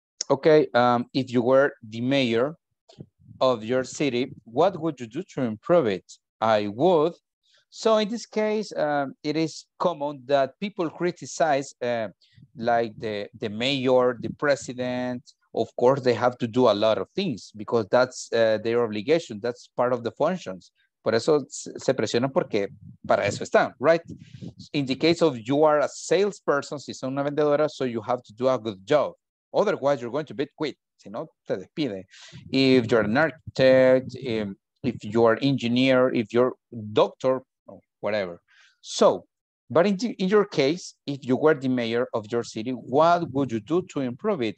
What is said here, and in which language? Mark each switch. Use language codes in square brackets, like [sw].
[en] Okay, if you were the mayor of your city, what would you do to improve it? I would. So in this case, it is common that people criticize like the mayor, the president. Of course, they have to do a lot of things because that's their obligation. That's part of the functions. [es] Por eso se presionan porque para eso están, right? [en] In the case of you are a salesperson, [es] si son una vendedora, [en] so you have to do a good job. Otherwise, you're going to be quit. [es] Si no, te despide. [en] If you're an architect, if you are engineer, if you're doctor, whatever. So, but in your case, if you were the mayor of your city, what would you do to improve it?